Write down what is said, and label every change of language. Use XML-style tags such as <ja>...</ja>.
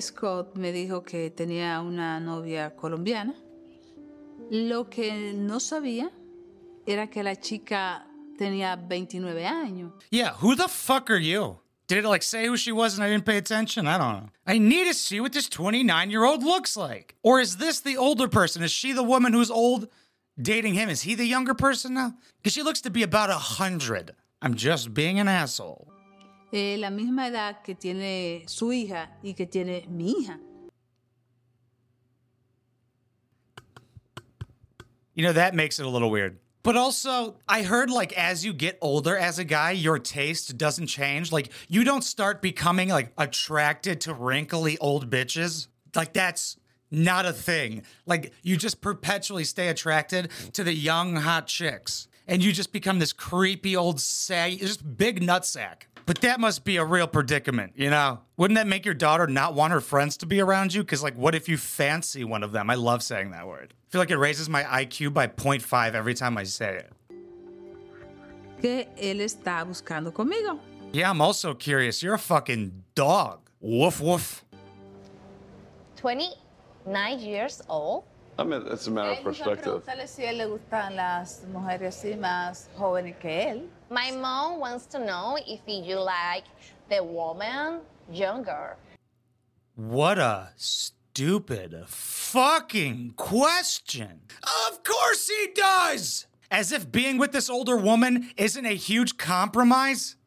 <es>Scott me dijo que tenía una novia colombiana. Lo que no sabía era que la chica tenía 29 años.</es> <en>Yeah, who the fuck are you? Did it, like, say who she was and I didn't pay attention? I don't know. I need to see what this 29-year-old looks like. Or is this the older person? Is she the woman who's old dating him? Is he the younger person now? Because she looks to be about 100. I'm just being an asshole.</en> <es>La misma edad que tiene su hija y que tiene mi hija.</es> <en>You know, that makes it a little weird. But also, I heard, like, as you get older as a guy, your taste doesn't change. Like, you don't start becoming, like, attracted to wrinkly old bitches. Like, that's not a thing. Like, you just perpetually stay attracted to the young, hot chicks. And you just become this creepy old saggy, just big nutsack. But that must be a real predicament, you know? Wouldn't that make your daughter not want her friends to be around you? Because, like, what if you fancy one of them? I love saying that word. I feel like it raises my IQ by 0.5 every time I say it.</en> <es>¿Qué él está buscando conmigo?</es> <en>Yeah, I'm also curious. You're a fucking dog. Woof, woof. 29 years old? I mean, it's a matter of perspective.</en> <es>¿Qué si él le gustan las mujeres más jóvenes que él?</es> <en>My mom wants to know if you like the woman younger. What a stupid fucking question. Of course he does! As if being with this older woman isn't a huge compromise.</en>